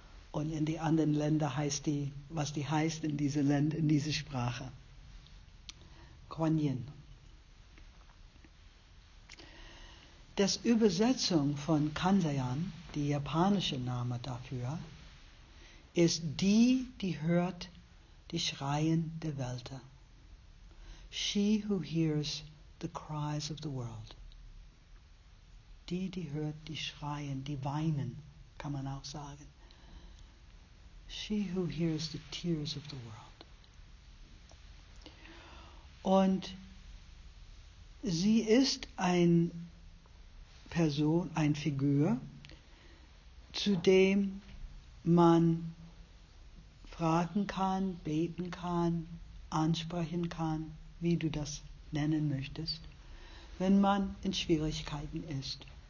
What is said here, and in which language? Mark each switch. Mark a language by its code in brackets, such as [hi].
[de] Und in die anderen Länder heißt die, was die heißt in diese Länder, in diese Sprache. Kuan Yin. Das Übersetzung von Kanzayan, die japanische Name dafür, ist die, die hört die Schreien der Welt. [en] She who hears the cries of the world. [de] Die, die hört die Schreien, die Weinen, kann man auch sagen. [en] She who hears the tears of the world. [de] Und sie ist ein Person, ein Figur, zu dem man fragen kann, beten kann, ansprechen kann, wie du das nennen möchtest, wenn man in Schwierigkeiten ist.